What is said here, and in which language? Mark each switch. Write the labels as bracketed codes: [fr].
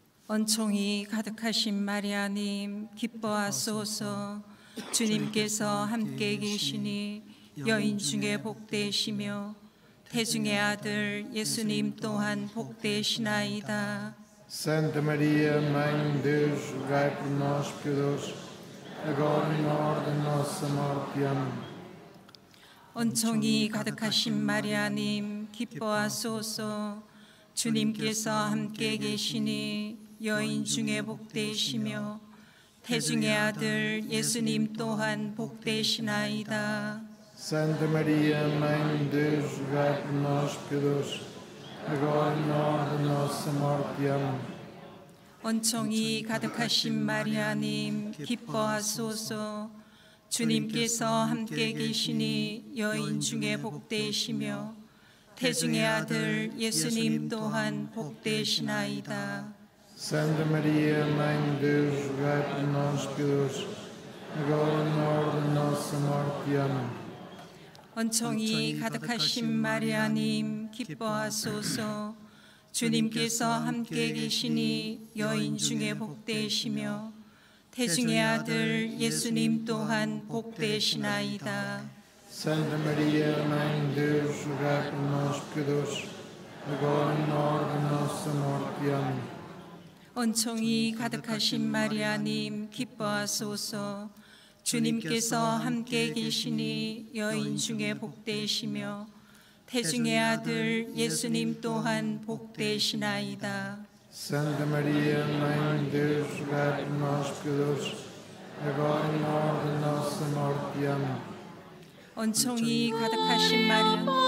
[ko] 은총이 가득하신 마리아님 기뻐하소서. 주님께서 함께 계시니 여인 중에 복되시며 태중의 아들 예수님 또한 복되시나이다. [pt] Santa Maria, Mãe de Deus, rogai por nós, pecadores, agora e na hora da nossa morte. Amém. [ko] 은총이 가득하신 마리아님 기뻐하소서. 주님께서 함께 계시니 여인 중에 복되시며 태중의 아들 예수님 또한 복되시나이다. [pt] Santa Maria, Mãe de Deus, rogai por nós, pecadores, agora e na hora da nossa morte. Amém. [ko] 은총이 가득하신 마리아님 기뻐하소서. 주님께서 함께 계시니 여인 중에 복되시며 태중의 아들 예수님 또한 복되시나이다. [pt] Santa Maria, Mãe de Deus, rogai por nós, pecadores, agora e na hora da nossa morte. Amém. [ko] 은총이 가득하신 마리아님 기뻐하소서. 주님께서 함께 계시니 여인 중에 복되시며 태중의 아들 예수님 또한 복되시나이다. [pt] Santa Maria, Mãe de Deus, rogai por nós, pecadores, agora e na hora da nossa morte. Amém. [ko] 은총이 가득하신 마리아님 기뻐하소서. 주님께서 함께 계시니 여인 중에 복되시며 태중의 아들 예수님 또한 복되시나이다. [pt] Santa Maria, Mãe de Deus, rogai por nós, pecadores, agora e na hora da nossa morte. Amém. [ko] 은총이 가득하신 마리아님